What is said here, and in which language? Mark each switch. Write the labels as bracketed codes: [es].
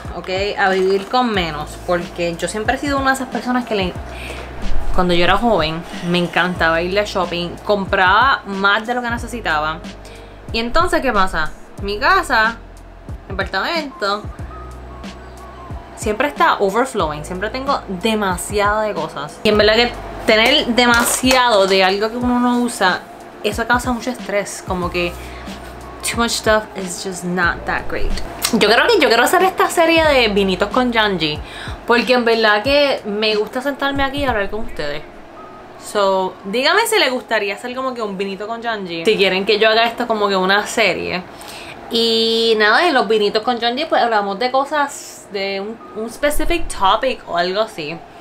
[es] Ok, a vivir con menos, porque yo siempre he sido una de esas personas que cuando yo era joven me encantaba irle a shopping, compraba más de lo que necesitaba. Y entonces, ¿qué pasa? mi casa, mi apartamento, siempre está overflowing. Siempre tengo demasiado de cosas. Y en verdad que tener demasiado de algo que uno no usa, eso causa mucho estrés. Como que [en] too much stuff is just not that great. [es] Yo creo que yo quiero hacer esta serie de vinitos con Janji, porque en verdad que me gusta sentarme aquí y hablar con ustedes. So, dígame si le gustaría hacer como que un vinito con Janji. Si quieren que yo haga esto como que una serie. Y nada, en los vinitos con Janji pues hablamos de cosas, de un [en] specific topic [es] o algo así.